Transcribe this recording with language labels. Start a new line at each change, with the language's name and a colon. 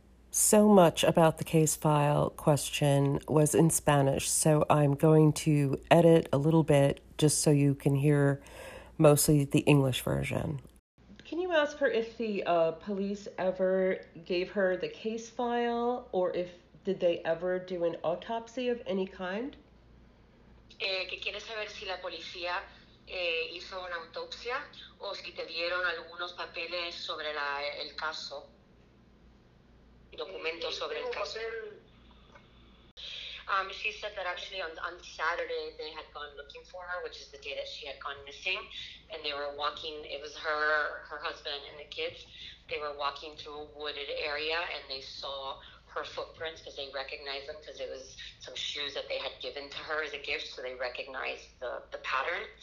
English: So much about the case file question was in Spanish, so I'm going to edit a little bit just so you can hear mostly the English version. Can you ask her if the police ever gave her the case file, or if did they ever do an autopsy of any kind?
Spanish: Que quiere saber si la policía hizo una autopsia o si te dieron algunos papeles sobre el caso. Documentos sobre el caso.
English: She said that actually on Saturday they had gone looking for her, which is the day that she had gone missing, and they were walking. It was her husband and the kids. They were walking through a wooded area and they saw her footprints because they recognized them, because it was some shoes that they had given to her as a gift, so they recognized the pattern.